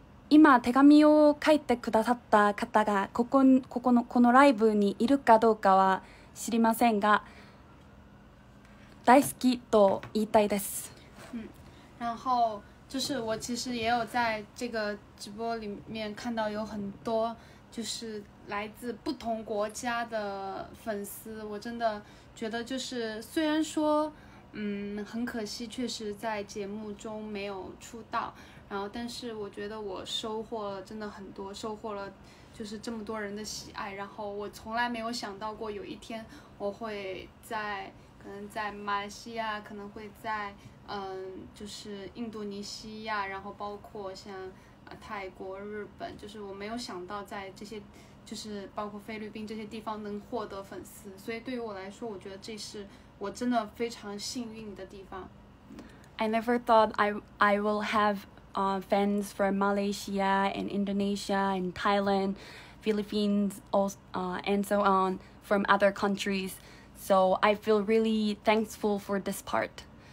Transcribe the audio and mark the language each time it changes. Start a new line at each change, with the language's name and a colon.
Japanese: 今手紙を書いてくださった方がこのライブにいるかどうかは知りませんが、大好きと言いたいです。
Chinese: 然后就是我其实也有在这个直播里面看到有很多就是来自不同国家的粉丝，我真的觉得就是虽然说。很可惜确实在节目中没有出道，然后但是我觉得我收获了真的很多，收获了就是这么多人的喜爱，然后我从来没有想到过有一天我会在可能在马来西亚，可能会在就是印度尼西亚，然后包括像泰国、日本，就是我没有想到在这些就是包括菲律宾这些地方能获得粉丝，所以对于我来说我觉得这是我真的非常幸运的地方。
English: I never thought I will have fans from Malaysia and Indonesia and Thailand, Philippines, and so on from other countries. So I feel really thankful for this part.